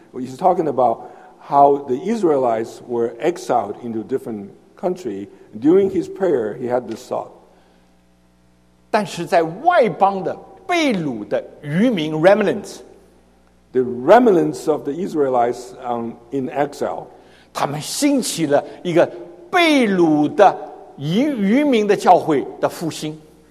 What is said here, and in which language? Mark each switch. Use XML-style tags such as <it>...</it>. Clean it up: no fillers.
<en>He's talking about how the Israelites were exiled into a different country. During his prayer, he had this thought.</en> <zh>但是在外邦的被掳的渔民 remnants,</zh> <en>the remnants of the Israelites in exile,</en> <zh>他们兴起了一个被掳的渔民的教会的复兴</zh>